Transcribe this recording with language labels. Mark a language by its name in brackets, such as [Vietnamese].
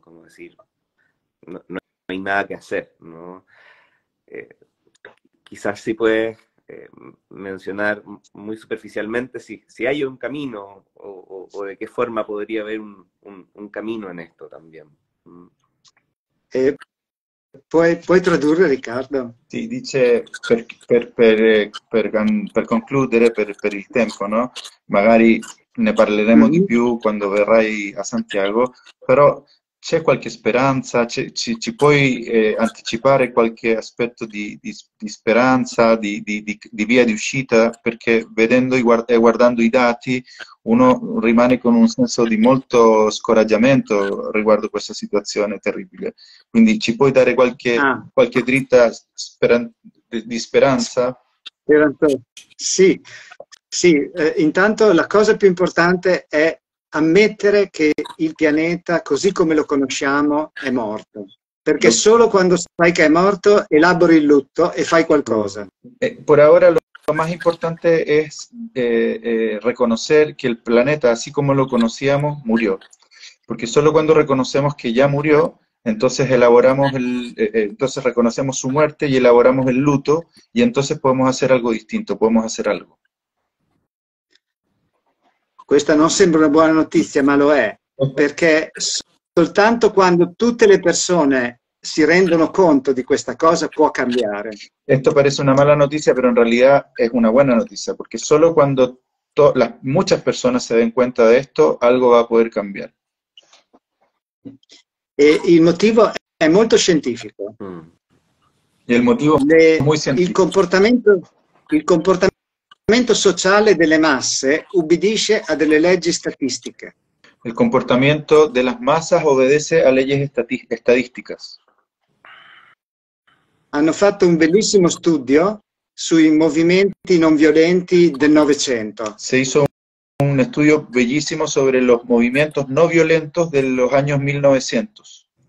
[Spanish] Como decir, no hay nada que hacer, ¿no? Quizás sí puedes mencionar muy superficialmente si hay un camino o de qué forma podría haber un camino en esto también. [Italian] Puoi tradurre, Riccardo? Sì, dice per concludere, per il tempo, no? Magari ne parleremo di più quando verrai a Santiago, però c'è qualche speranza? Ci puoi anticipare qualche aspetto di speranza, di via di uscita? Perché vedendo guardando i dati, uno rimane con un senso di molto scoraggiamento riguardo questa situazione terribile. Quindi ci puoi dare Ah. qualche dritta di speranza? Sì, intanto la cosa più importante è ammettere che il pianeta, così come lo conosciamo, è morto. Perché solo quando sai che è morto, elabori il lutto e fai qualcosa. [Spanish] Por ahora lo más importante es reconocer que el planeta, así como lo conocíamos, murió. Porque solo cuando reconocemos que ya murió, entonces entonces reconocemos su muerte y elaboramos el luto, y entonces podemos hacer algo distinto, podemos hacer algo. [Italian] Questa non sembra una buona notizia, ma lo è, perché soltanto quando tutte le persone si rendono conto di questa cosa può cambiare. [Spanish] Esto parece una mala noticia, pero en realidad es una buena noticia, porque solo cuando muchas personas se den cuenta de esto, algo va a poder cambiar. [Italian] E il motivo è molto scientifico. [Spanish] Y el motivo [Italian] Le, [Spanish] es muy [Italian] il [Spanish] científico. [Italian] comportamento, il comportamento Il comportamento sociale delle masse ubbidisce a delle leggi statistiche. [Spanish] El comportamiento de las masas obedece a leyes estadísticas. [Italian] Hanno fatto un bellissimo studio sui movimenti non violenti del Novecento. [Spanish] Se hizo un estudio bellísimo sobre los movimientos no violentos de los años 1900.